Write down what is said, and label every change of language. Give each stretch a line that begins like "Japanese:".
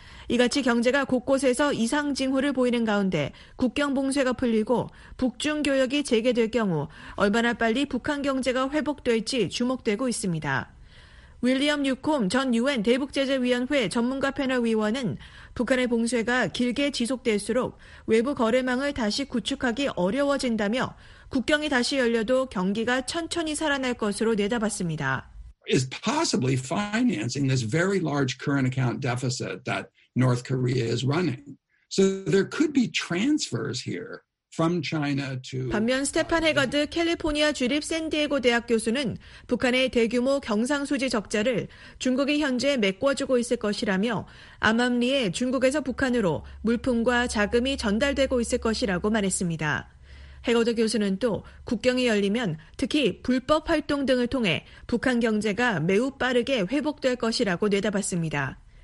Korean: 이같이 경제가 곳곳에서 이상 징후를 보이는 가운데 국경 봉쇄가 풀리고 북중 교역이 재개될 경우 얼마나 빨리 북한 경제가 회복될지 주목되고 있습니다. 윌리엄 뉴콤 전 유엔 대북제재위원회 전문가 패널 위원은 북한의 봉쇄가 길게 지속될수록 외부 거래망을 다시 구축하기 어려워진다며 국경이 다시 열려도 경기가 천천히 살아날 것으로 내다봤습니다.
English: Is possibly financing this very large current account deficit that North Korea is running. So there could be transfers here from China to
Korean: 반면 스테판 해거드 캘리포니아 주립 샌디에고 대학 교수는 북한의 대규모 경상수지 적자를 중국이 현재 메꿔주고 있을 것이라며 암암리에 중국에서 북한으로 물품과 자금이 전달되고 있을 것이라고 말했습니다. 해거드 교수는 또 국경이 열리면 특히 불법 활동 등을 통해 북한 경제가 매우 빠르게 회복될 것이라고 내다봤습니다.